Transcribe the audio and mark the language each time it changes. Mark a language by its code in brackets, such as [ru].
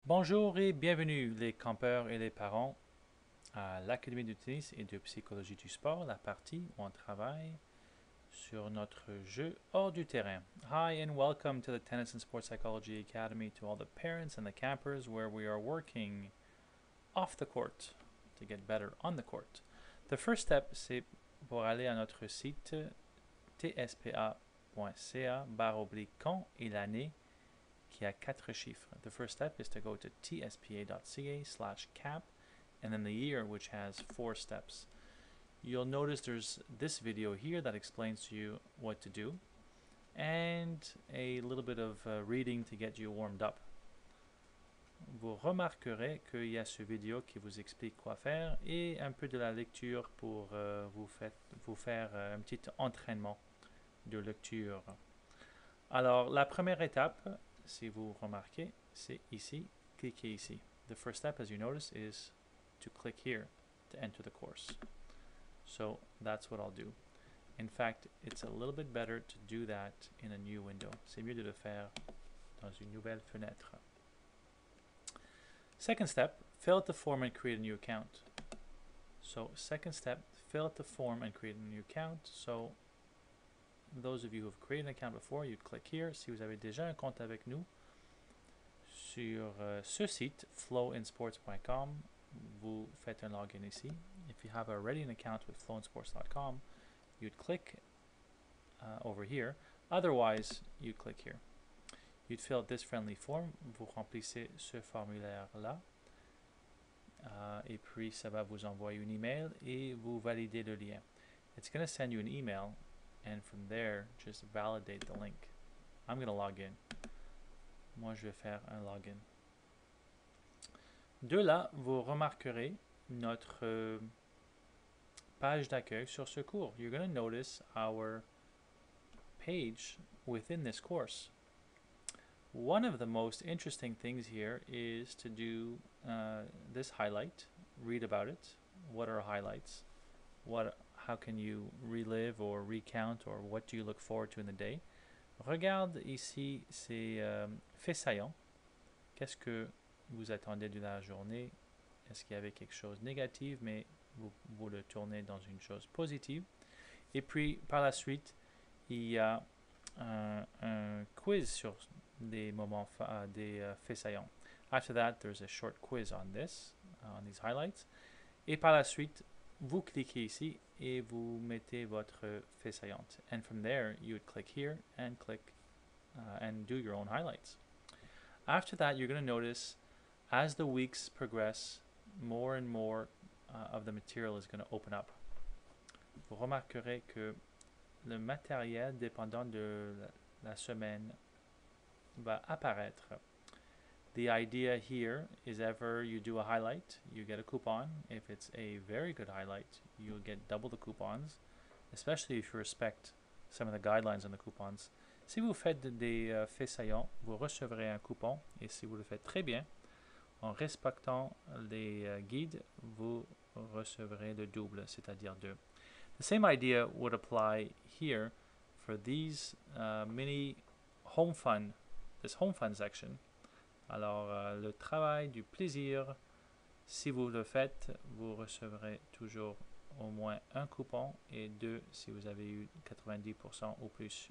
[fr] Bonjour et bienvenue les campeurs et les parents à l'Académie du tennis et de psychologie du sport, la partie où on travaille sur notre jeu hors du terrain. [en] Hi and welcome to the Tennis and Sports Psychology Academy, to all the parents and the campers where we are working off the court to get better on the court. The first step, [fr] c'est pour aller à notre site tspa.ca/quand et l'année qui a quatre chiffres. [en] The first step is to go to tspa.ca/cap and then the year, which has four steps. You'll notice there's this video here that explains to you what to do and a little bit of reading to get you warmed up. [fr] Vous remarquerez qu'il y a ce vidéo qui vous explique quoi faire et un peu de la lecture pour vous faire un petit entraînement de lecture. Alors, la première étape, si vous remarquez, c'est ici, cliquez ici. [en] The first step, as you notice, is to click here to enter the course. So, that's what I'll do. In fact, it's a little bit better to do that in a new window. [fr] C'est mieux de le faire dans une nouvelle fenêtre. [en] Second step, fill out the form and create a new account. So, second step, fill out the form and create a new account. So, those of you who have created an account before, you click here. [fr] Si vous avez déjà un compte avec nous, sur ce site, flowinsports.com, vous faites un login ici. [en] If you have already an account with flowinsports.com, you'd click over here. Otherwise, you'd click here. You'd fill out this friendly form, [fr] vous remplissez ce formulaire-là, et puis ça va vous envoyer un email et vous validez le lien. [en] It's going to send you an email, and from there, just validate the link. I'm going to log in. [fr] Moi, je vais faire un login. De là, vous remarquerez notre page d'accueil sur ce cours. [en] You're going to notice our page within this course. One of the most interesting things here is to do this highlight, read about it. What are highlights? How can you relive or recount, or what do you look forward to in the day? [fr] Regarde ici ces faits saillants. Qu'est-ce que vous attendez de la journée? Est-ce qu'il y avait quelque chose de négatif, mais vous le tournez dans une chose positive? Et puis, par la suite, il y a un quiz sur des moments faits saillants. [en] After that, there's a short quiz on this, on these highlights. [fr] Et par la suite, vous cliquez ici et vous mettez votre fait saillant. [en] And from there, you would click here and click and do your own highlights. After that, you're going to notice as the weeks progress, more and more of the material is going to open up. [fr] Vous remarquerez que le matériel dépendant de la semaine va apparaître. [en] The idea here is ever you do a highlight, you get a coupon. If it's a very good highlight, you'll get double the coupons, especially if you respect some of the guidelines on the coupons. [fr] Si vous faites des faits saillants, vous recevrez un coupon, et si vous le faites très bien, en respectant les guides, vous recevrez le double, c'est-à-dire deux. [en] The same idea would apply here for these mini home fun, this home fun section. [fr] Alors, le travail du plaisir, si vous le faites, vous recevrez toujours au moins un coupon et deux si vous avez eu 90% ou plus.